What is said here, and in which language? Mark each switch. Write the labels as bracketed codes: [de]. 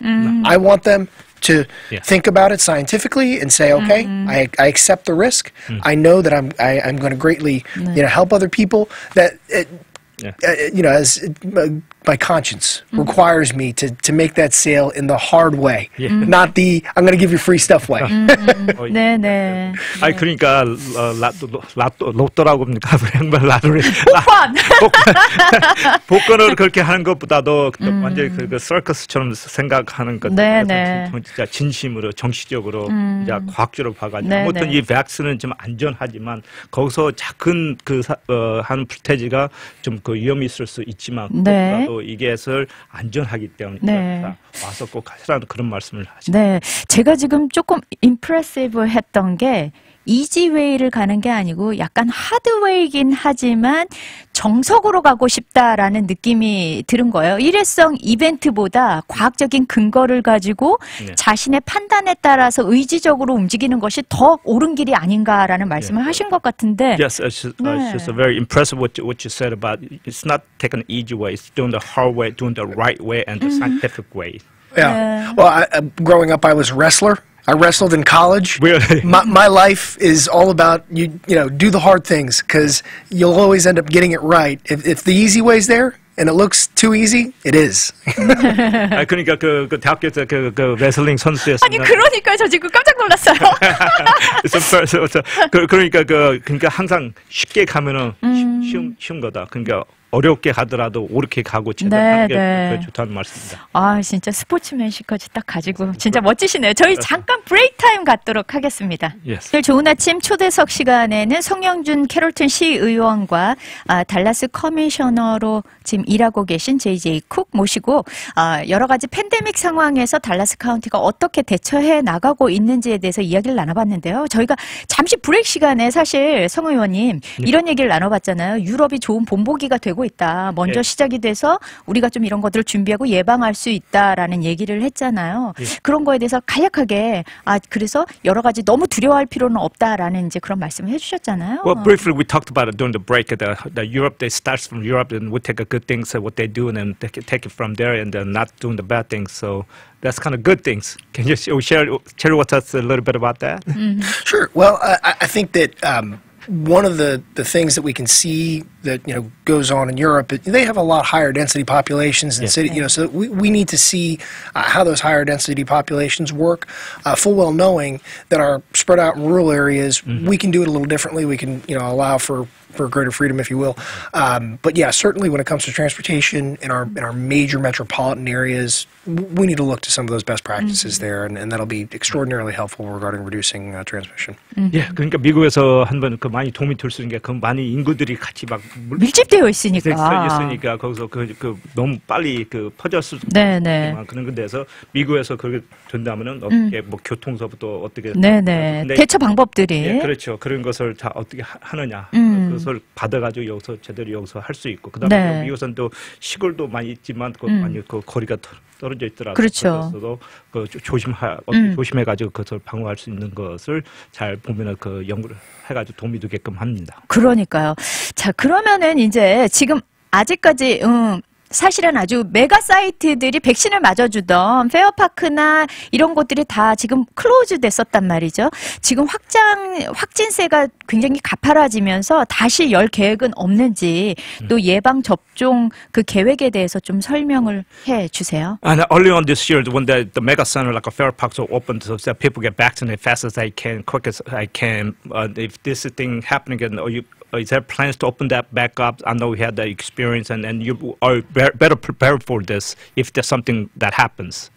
[en] I want them to think about it scientifically and say, okay, I accept the risk. I know that I'm going to greatly, you know, help other people. That it, you know, as my conscience requires me to make that sale in the hard way, not the I'm going to give you free stuff way. [ko] 네, 네. 아니 그러니까 로또라고 합니까? 그냥 라돌이. 복권. 복권을 그렇게 하는 것보다도 완전히 그 서커스처럼 생각하는 것 같아요. 진짜 진심으로 정치적으로 이제 과학적으로 봐가지고 아무튼 이 백스는 좀 안전하지만 거기서 작은 그 한 불태지가 좀 그 위험이 있을 수 있지만 또 이게서 안전하기 때문에 와서 꼭 하시라는 그런 말씀을 하시죠. 네, 제가 지금 조금 impressive했던 게 이지웨이를 가는 게 아니고 약간 하드웨이긴 하지만 정석으로 가고 싶다라는 느낌이 드는 거예요. 일회성 이벤트보다 과학적인 근거를 가지고 자신의 판단에 따라서 의지적으로 움직이는 것이 더 옳은 길이 아닌가라는 말씀을 하신 것 같은데. [en] Yes, it's just, it's just very impressive what you said about it's not taking the easy way. It's doing the hard way, doing the right way and the scientific way. Yeah. Well, growing up, I was a wrestler. I wrestled in college. Really? My life is all about, you know, do the hard things because you'll always end up getting it right. If the easy way is there and it looks too easy, it is. [ko] 아, 그러니까 그 대학교에서 그 레슬링 선수였어요. 아니, 그러니까 저 지금 깜짝 놀랐어요. 그러니까 그러니까 항상 쉽게 가면은 쉬운 거다. 그러니까 어렵게 가더라도 옳게 가고 제대로 하는 게 좋다는 말씀입니다. 아, 진짜 스포츠맨십까지 딱 가지고 진짜 멋지시네요. 저희 잠깐 브레이크 타임 갖도록 하겠습니다. [en] Yes. [ko] 오늘 좋은 아침 초대석 시간에는 성영준 캐롤튼 시의원과 달라스 커미셔너로 지금 일하고 계신 JJ 쿡 모시고 여러 가지 팬데믹 상황에서 달라스 카운티가 어떻게 대처해 나가고 있는지에 대해서 이야기를 나눠봤는데요. 저희가 잠시 브레이크 시간에 사실 성 의원님 이런 얘기를 나눠봤잖아요. 유럽이 좋은 본보기가 되고 있다. 먼저 시작이 돼서 우리가 좀 이런 것들을 준비하고 예방할 수 있다라는 얘기를 했잖아요. 그런 거에 대해서 간략하게 그래서 여러 가지 너무 두려워할 필요는 없다라는 이제 그런 말씀을 해주셨잖아요. [en] Well, briefly we talked about it during the break. The Europe, they starts from Europe and we take a good thing, so what they do and then take it from there and they're not doing the bad things. So that's kind of good things. Can you share with us a little bit about that? Mm-hmm. Sure. Well, I think that. One of the things that we can see that, you know, goes on in Europe, they have a lot higher density populations in cities, you know, so we need to see how those higher density populations work, full well knowing that our spread out in rural areas, we can do it a little differently. We can, you know, allow for greater freedom, if you will. But yeah, certainly when it comes to transportation in our major metropolitan areas, we need to look to some of those best practices there, and that'll be extraordinarily helpful regarding reducing transmission. [ko] Yeah, 그러니까 미국에서 한번 그 많이 도움이 될 수 있는 게 그 많이 인구들이 같이 막 밀집되어 있으니까. 있으니까 거기서 그 너무 빨리 그 퍼졌을 수도 네네. 그런 건데서 미국에서 그렇게 된다면은 어떻게 뭐 교통서부터 어떻게 네네. 대처 방법들이 네, 그렇죠. 그런 것을 다 어떻게 하느냐. 그것을 받아가지고 여기서 제대로 여기서 할 수 있고 그다음에 미국은 또 시골도 많이 있지만 그 많이 그 거리가 떨어져 있더라고요. 그렇죠. 그래서 그 조심해가지고 그것을 방어할 수 있는 것을 잘 보면은 그 연구를 해가지고 도움이 되게끔 합니다. 그러니까요. 자 그러면은 이제 지금 아직까지 사실은 아주 메가 사이트들이 백신을 맞아주던 페어파크나 이런 곳들이 다 지금 클로즈 됐었단 말이죠. 지금 확진세가 굉장히 가파라지면서 다시 열 계획은 없는지 또 예방접종 그 계획에 대해서 좀 설명을 해 주세요. [en] And early on this year, when the mega center like a Fairfax opened, so that people get vaccinated fast as I can, quick as I can, if this thing happened again, or you is there plans to open that back up? I know we had that experience, and you are better prepared for this if there's something that happens.